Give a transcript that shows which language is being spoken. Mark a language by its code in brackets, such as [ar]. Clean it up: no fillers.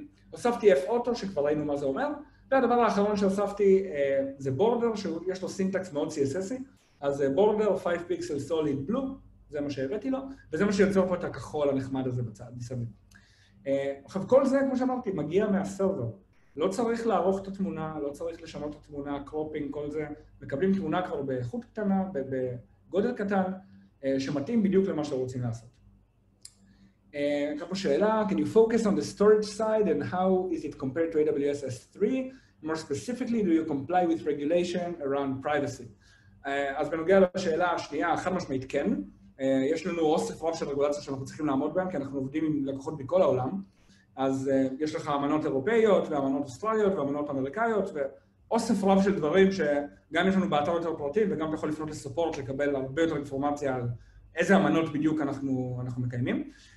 [he] הוספתי F-Auto, שכבר ראינו מה זה אומר, והדבר האחרון שהוספתי זה בורדר, שיש לו סינטקס מאוד CSS-י, אז בורדר, 5 פיקסל סוליד בלו, זה מה שהבאתי לו, וזה מה שיוצר פה את הכחול הנחמד הזה בצד, מסביב. עכשיו, כל זה, כמו שאמרתי, מגיע מהסרבר. לא צריך לערוך את התמונה, לא צריך לשנות את התמונה, קרופינג, כל זה. מקבלים תמונה כבר באיכות קטנה, בגודל קטן, שמתאים בדיוק למה שרוצים לעשות. כאן פה שאלה, [en] can you focus on the storage side and how is it compared to AWS S3? More specifically, do you comply with regulation around privacy? [he] אז בנוגע לשאלה השנייה, חד משמעית כן. יש לנו אוסף רב של רגולציה שאנחנו צריכים לעמוד בהם, כי אנחנו עובדים עם לקוחות בכל העולם. אז יש לך אמנות אירופאיות, ואמנות אוסטרליות, ואמנות אמריקאיות, ואוסף רב של דברים שגם יש לנו באתר יותר פרטים, וגם יכול לפנות לסופורט לקבל הרבה יותר אינפורמציה על איזה אמנות בדיוק אנחנו מקיימים.